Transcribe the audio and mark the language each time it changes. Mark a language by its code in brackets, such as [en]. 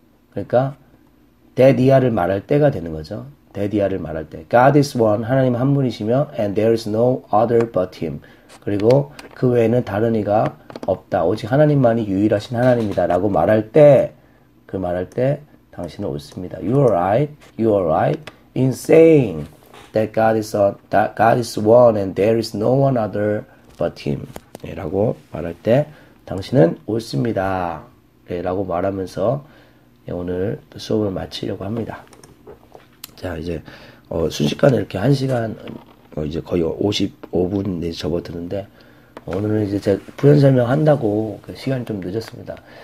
[ko] 그러니까 that ear를 말할 때가 되는 거죠. that ear를 말할 때. [en] God is one. [ko] 하나님 한 분이시며 [en] and there is no other but him. [ko] 그리고 그 외에는 다른 이가 없다. 오직 하나님만이 유일하신 하나님이다. 라고 말할 때, 그 말할 때 당신은 옳습니다. [en] You are right. You are right. In saying that God is one and there is no one other but him. [ko] 네, 라고 말할 때 당신은 옳습니다. 네, 라고 말하면서 오늘 수업을 마치려고 합니다. 자, 이제 순식간에 이렇게 1시간 이제 거의 55분 내지 접어드는데 오늘은 이제 제가 부연 설명한다고 시간이 좀 늦었습니다.